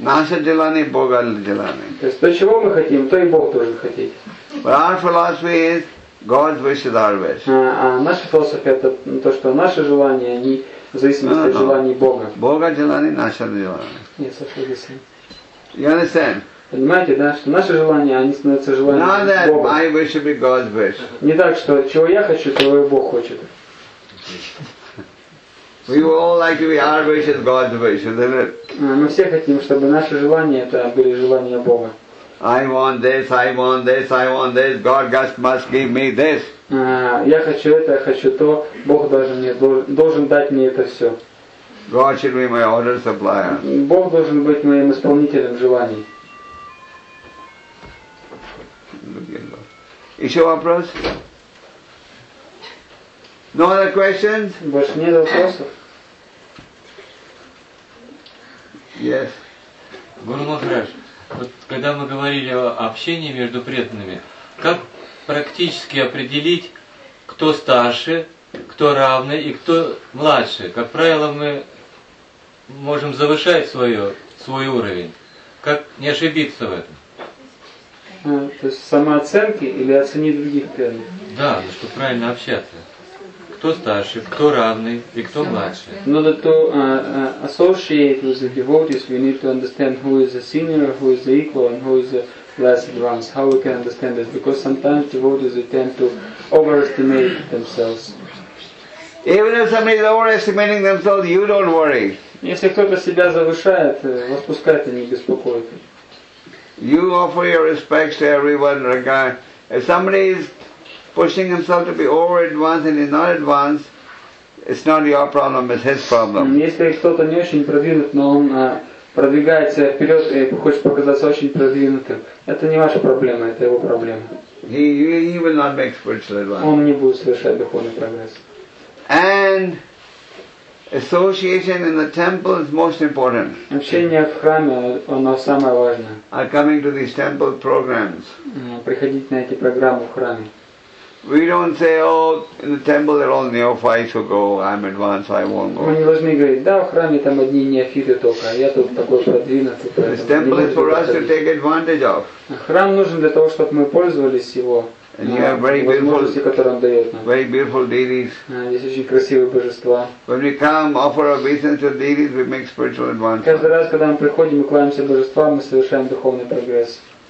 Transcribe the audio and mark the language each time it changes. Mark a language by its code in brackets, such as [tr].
[ru] Наши желания, Бога желания. То есть то, чего мы хотим, то и Бог тоже хотит. [en] But our philosophy is God's wish is our wish. [ru] А наша философия это то, что наши желания они в зависимости от желаний Бога. Бога желание, наше желание. Нет, [en] you understand? [ru] Понимаете, да, что наши желания, они становятся желаниями Бога. [en] My wish should be God's wish. [ru] Не так, что чего я хочу, того и Бог хочет. [en] We all like to be our wish is God's wish, isn't it? [ru] Мы все хотим, чтобы наши желания это были желания Бога. [en] I want this, I want this, I want this. God must give me this. [ru] Я хочу это, я хочу то, Бог должен дать мне это все. [en] God should be my order supplier. [ru] Бог должен быть моим исполнителем желаний. Еще вопрос? [en] No other questions? [ru] Больше нет вопросов? [en] Yes. [ru] Гуру Махарадж, вот когда мы говорили о общении между преданными, как практически определить, кто старше, кто равный и кто младше. Как правило, мы можем завышать свой уровень. Как не ошибиться в этом? То есть самооценки или оценить других преданных? Да, ну, чтобы правильно общаться. Кто старше, кто равный и кто младше. [en] In order to associate with the devotees, we need to understand who is the senior, who is the equal and who is the less advanced. How we can understand this? Because sometimes devotees tend to overestimate themselves. Even if somebody is overestimating themselves, you don't worry. [ru] Если кто-то себя завышает, вас пускайте, не беспокойте. [en] You offer your respects to everyone, regard. If somebody is pushing himself to be over advanced and is not advanced, it's not your problem, it's his problem. [ru] Если кто-то не очень продвинут, но он продвигается вперед и хочет показаться очень продвинутым, это не ваша проблема, это его проблема. [en] He will not make spiritual advance. [ru] Он не будет совершать духовный прогресс. [en] And association in the temple is most important. [ru] Общение в храме, оно самое важное. [en] Are coming to these temple programs. [ru] Приходить на эти программы в храме. [en] We don't say, oh, in the temple there are all neophytes who go, I'm advanced, I won't go. [ru] Мы не должны говорить, да, в храме там одни неофиты только, я тут такой продвинутый. [en] This temple is for us to take advantage of. [ru] Храм нужен для того, чтобы мы пользовались его. [en] And you have very beautiful, very beautiful deities. [ru] Здесь очень красивые божества. [en] When we come, offer obeisance to deities, we make spiritual advancement. [ru] Каждый раз, когда мы приходим и кланяемся божествам, мы совершаем духовный прогресс.